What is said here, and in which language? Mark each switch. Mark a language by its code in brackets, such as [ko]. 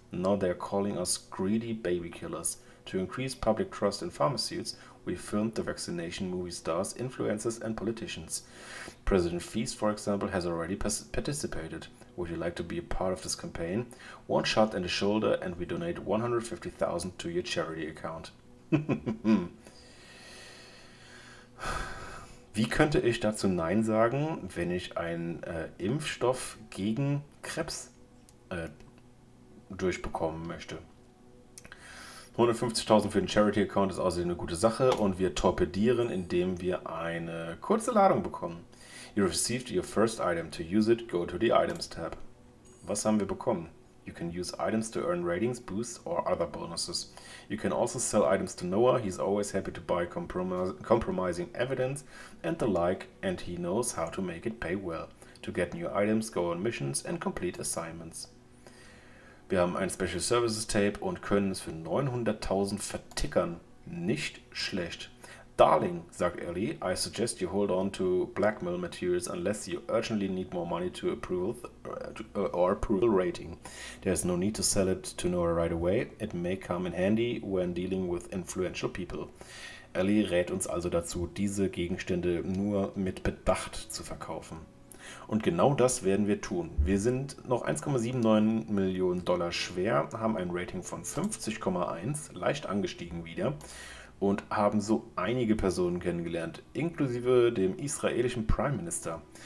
[en] Now they're calling us greedy baby killers. To increase public trust in pharmasuits, we filmed the vaccination movie stars, influencers, and politicians. President Feast, for example, has already participated. Would you like to be a part of this campaign? One shot in the shoulder, and we donate 150.000 to your charity account. [de] Wie könnte ich dazu Nein sagen, wenn ich einen Impfstoff gegen Krebs durchbekommen möchte? 150.000 für den Charity-Account ist außerdem eine gute Sache und wir torpedieren, indem wir eine kurze Ladung bekommen. [en] You received your first item. To use it, go to the Items tab. [de] Was haben wir bekommen? [en] You can use items to earn ratings, boosts or other bonuses. You can also sell items to Noah. He's always happy to buy compromising evidence and the like, and he knows how to make it pay well. To get new items, go on missions and complete assignments. [de] Wir haben ein Special Services Tape und können es für 900.000 vertickern. Nicht schlecht. [en] Darling, [de] sagt Ellie, [en] I suggest you hold on to blackmail materials unless you urgently need more money to approval rating. There's no need to sell it to Nora right away. It may come in handy when dealing with influential people. [de] Ellie rät uns also dazu, diese Gegenstände nur mit Bedacht zu verkaufen. Und genau das werden wir tun. Wir sind noch 1,79 Millionen Dollar schwer, haben ein Rating von 50,1, leicht angestiegen wieder und haben so einige Personen kennengelernt, inklusive dem israelischen Prime Minister.